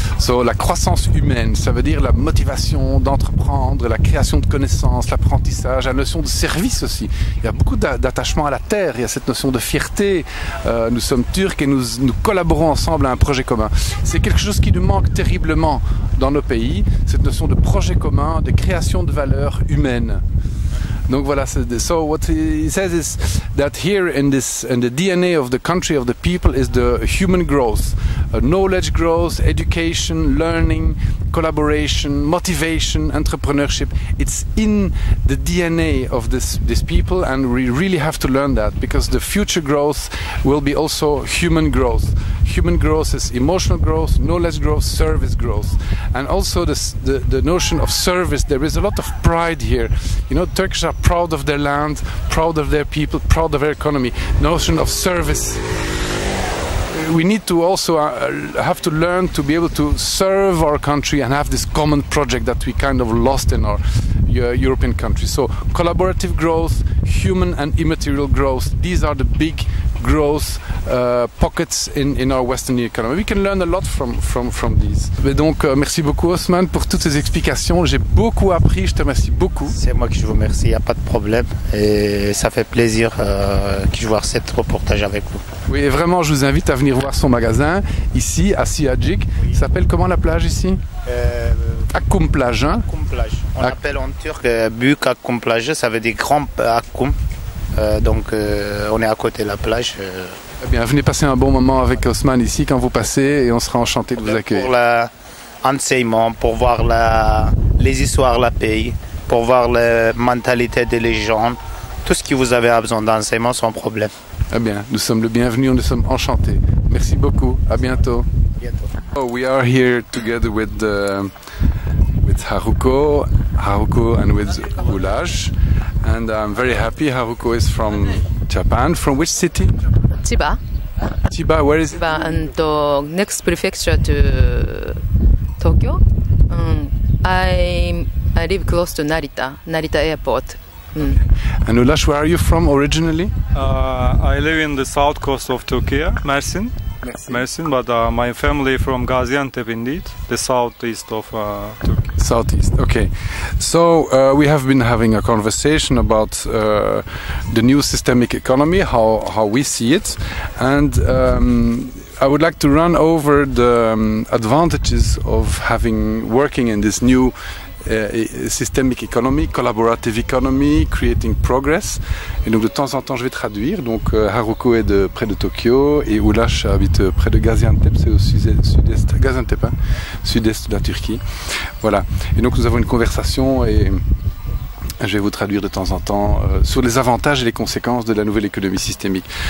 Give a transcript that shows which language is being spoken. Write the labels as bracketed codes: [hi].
[fr] So, la croissance humaine, ça veut dire la motivation d'entreprendre, la création de connaissances, l'apprentissage, la notion de service aussi. Il y a beaucoup d'attachement à la terre, il y a cette notion de fierté. Nous sommes turcs et nous collaborons ensemble à un projet commun. C'est quelque chose qui nous manque terriblement dans nos pays, cette notion de projet commun, de création de valeur humaine. Donc voilà, [en] so what he says is that here in the DNA of the country, of the people, is the human growth, knowledge growth, education, learning, collaboration, motivation, entrepreneurship. It's in the DNA of this people, and we really have to learn that, because the future growth will be also human growth. Human growth is emotional growth, knowledge growth, service growth, and also the notion of service. There is a lot of pride here. You know, Turks are proud of their land, proud of their people, proud of their economy. Notion of service. We need to also have to learn to be able to serve our country and have this common project that we kind of lost in our European country. So collaborative growth, human and immaterial growth, these are the big growth pockets in our Western economy. We can learn a lot from these. [fr] Mais donc, merci beaucoup Osman pour toutes ces explications. J'ai beaucoup appris, je te remercie beaucoup. C'est moi qui vous remercie, il n'y a pas de problème. Et ça fait plaisir que je vois ce reportage avec vous. Oui, vraiment, je vous invite à venir voir son magasin ici, à Siadjik. Oui. Il s'appelle comment la plage ici? Akkum plage. Hein? Akkum plage. On l'appelle en turc Büyük Akkum plage, ça veut dire grand Akkum. On est à côté de la plage. Eh bien, venez passer un bon moment avec Osman ici quand vous passez et on sera enchanté de vous accueillir. Pour l'enseignement, pour voir les histoires de la pays, pour voir la mentalité des gens, tout ce que vous avez besoin d'enseignement sans problème. Eh bien, nous sommes le bienvenu, nous sommes enchantés. Merci beaucoup, à bientôt. À bientôt. [en] Oh, we are here together with Haruko and with Ulaj. And I'm very happy. Haruko is from Japan. From which city? Chiba. Chiba, where is Chiba? And the next prefecture to Tokyo. I live close to Narita Airport. And Ulaj, where are you from originally? I live in the south coast of Turkey, Mersin. Mersin, but my family from Gaziantep indeed, the southeast of Turkey. Southeast, okay. So we have been having a conversation about the new systemic economy, how we see it, and I would like to run over the advantages of working in this new systemic economy, collaborative economy, creating progress. [fr] Et donc de temps en temps je vais traduire. Donc Haruko est près de Tokyo et Ulaj habite près de Gaziantep, c'est au sud-est, Gaziantep, hein, sud-est de la Turquie. Voilà. Et donc nous avons une conversation je vais vous traduire de temps en temps, sur les avantages et les conséquences de la nouvelle économie systémique.